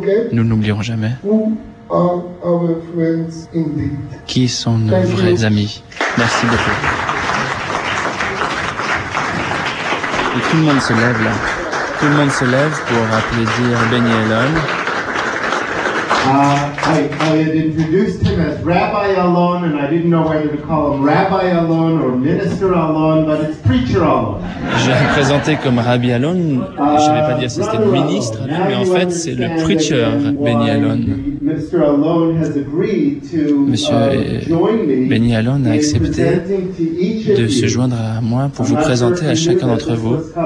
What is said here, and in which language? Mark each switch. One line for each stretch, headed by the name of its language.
French: Nous n'oublierons jamais qui sont nos vrais amis. Merci beaucoup. Et tout le monde se lève là. Tout le monde se lève pour applaudir Benny Elon.
English: I had introduced him as Rabbi Elon, and I didn't know whether to call him Rabbi Elon or Minister Elon, but it's Preacher Elon.
French: Je l'ai présenté comme Rabbi Elon. Je n'avais pas dit que c'était le ministre, mais en fait, c'est le Preacher Benny Elon.
English: Mr. Elon has agreed to join me.
French: Benny Elon a accepté de se joindre à moi pour vous présenter à chacun d'entre vous.